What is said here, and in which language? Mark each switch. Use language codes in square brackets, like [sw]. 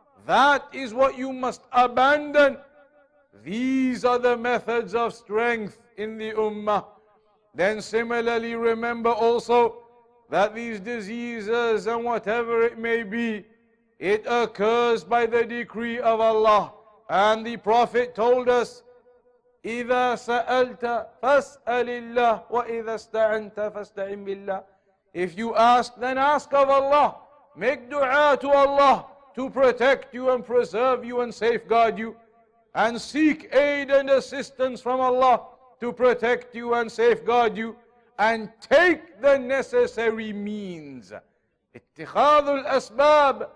[en] That is what you must abandon. These are the methods of strength in the ummah. Then similarly, remember also that these diseases and whatever it may be, it occurs by the decree of Allah. And the Prophet told us, [ar] إِذَا سَأَلْتَ فَاسْأَلِ اللَّهِ وَإِذَا اسْتَعَنْتَ فَاسْتَعِمْ بِاللَّهِ. [en] If you ask, then ask of Allah. Make dua to Allah to protect you and preserve you and safeguard you. And seek aid and assistance from Allah to protect you and safeguard you. And take the necessary means. [ar] اتخاذ الأسباب.